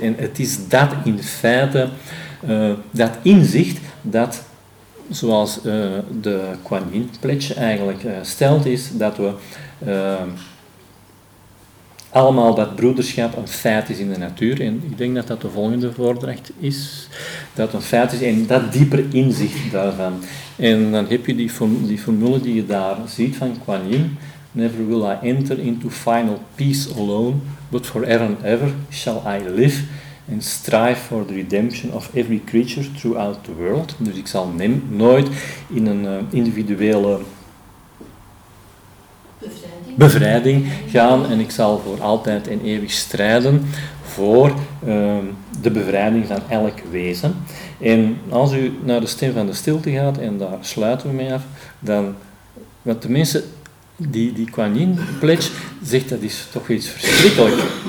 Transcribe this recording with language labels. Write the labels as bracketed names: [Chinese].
[Dutch] En het is dat in feite, dat inzicht, dat zoals de Kuan Yin pledge eigenlijk stelt, is dat we allemaal dat broederschap een feit is in de natuur. En ik denk dat dat de volgende voordracht is. Dat een feit is en dat dieper inzicht daarvan. En dan heb je die formule die je daar ziet van Kuan Yin. [English] Never will I enter into final peace alone, but forever and ever shall I live and strive for the redemption of every creature throughout the world. [Dutch] Dus ik zal nooit in een individuele bevrijding gaan en ik zal voor altijd en eeuwig strijden voor de bevrijding van elk wezen. En als u naar de stem van de stilte gaat, en daar sluiten we mee af, dan, want de mensen, die Kuan Yin pledge zegt, dat is toch iets verschrikkelijks.